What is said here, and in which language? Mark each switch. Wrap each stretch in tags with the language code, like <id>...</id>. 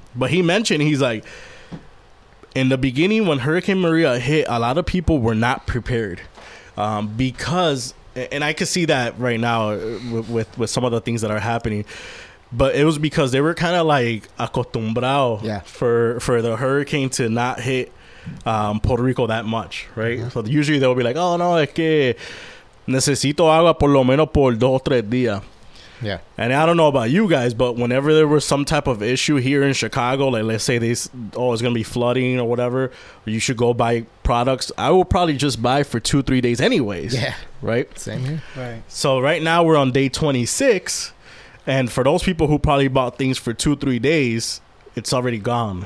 <en>But he mentioned, he's like, in the beginning when Hurricane Maria hit, a lot of people were not prepared because... And I could see that right now with some of the things that are happening. But it was because they were kind of like acostumbrado for the hurricane to not hit Puerto Rico that much, right? Yeah. So usually they'll be like, oh, no,</en> <es>es que necesito agua por lo menos por dos o tres días.</es> <en>Yeah. And I don't know about you guys, but whenever there was some type of issue here in Chicago, like let's say it's going to be flooding or whatever, or you should go buy products, I will probably just buy for 2-3 days anyways. Yeah. Right? Same here. Right. So right now we're on day 26, and for those people who probably bought things for 2-3 days, it's already gone.</en>